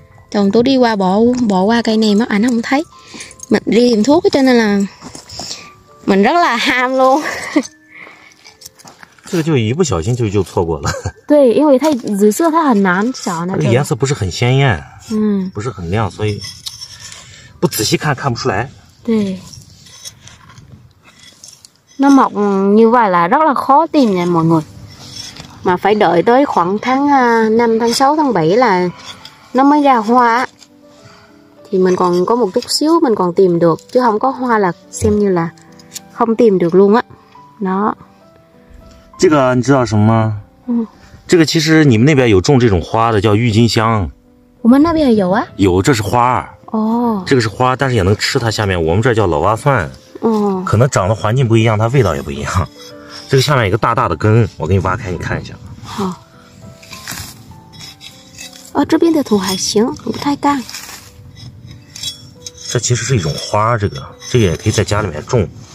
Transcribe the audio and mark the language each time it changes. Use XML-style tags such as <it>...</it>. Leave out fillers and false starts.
<vi>chồng tôi đi qua bỏ qua cây này mất ảnh không thấy mình đi tìm thuốc cho nên là mình rất là ham luôn cái này</vi> <zh>就一不小心就就错过了对因为它紫色它很难找那颜色不是很鲜艳嗯不是很亮所以不仔细看看不出来</zh> <vi>对nó mọc như vậy là rất là khó tìm nha mọi người mà phải đợi tới khoảng tháng 5, tháng 6, tháng 7 là nó mới ra hoa thì mình còn có một chút xíu mình còn tìm được chứ không có hoa là xem như là không tìm được luôn á đó cái này anh biết là gì không? Cái này thực ra là bên này có trồng cái hoa này gọi là hoa hướng dương. Của mình bên này có à? Có, đây là hoa. Ồ. Cái này là hoa nhưng cũng có thể ăn nó. Bên này gọi là lẩu hoa xoàn.</vi> <zh>哦，可能长的环境不一样，它味道也不一样。这个下面有一个大大的根，我给你挖开，你看一下。好。哦，这边的土还行，不太干。这其实是一种花，这个也可以在家里面种。</zh>